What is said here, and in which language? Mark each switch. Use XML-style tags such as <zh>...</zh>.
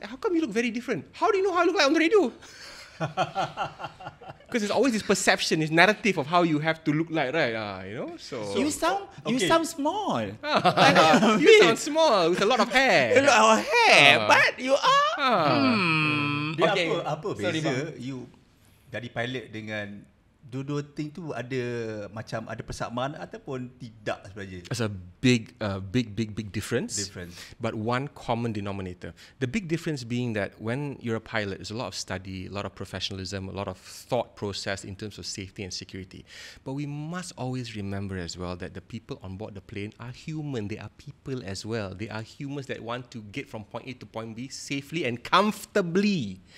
<en>How come you look very different? How do you know how I look like on the radio? Because it's always this perception, this narrative of how you have to look like, right? You know, so you sound you okay. sound small. You sound small with a lot of hair. A lot of hair, but you are.</en> <ms>Dia okay. apa beza bang. You dari pilot dengan dua-dua thing tu ada macam ada persamaan ataupun tidak sebenarnya?</ms> <en>It's a big difference. Difference. But one common denominator. The big difference being that when you're a pilot, there's a lot of study, a lot of professionalism, a lot of thought process in terms of safety and security. But we must always remember as well that the people on board the plane are human. They are people as well. They are humans that want to get from point A to point B safely and comfortably.</en>